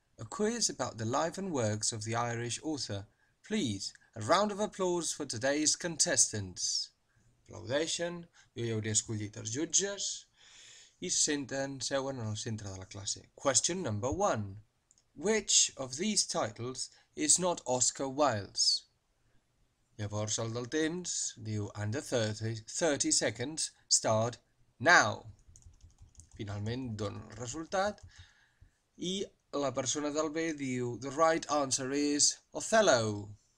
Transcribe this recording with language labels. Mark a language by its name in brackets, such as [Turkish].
[English] A quiz about the life and works of the Irish author. Please, a round of applause for today's contestants. [Catalan] Aplaudeixen, jo ja hauria escollit els jutges. I senten, seuen en el centre de la classe. [English] Question number one. Which of these titles is not Oscar Wilde's? [Catalan] Llavors el del temps diu [English] Under 30 seconds, start now. [Catalan] Finalment dona el resultat i la persona del B diu [English] The right answer is Othello.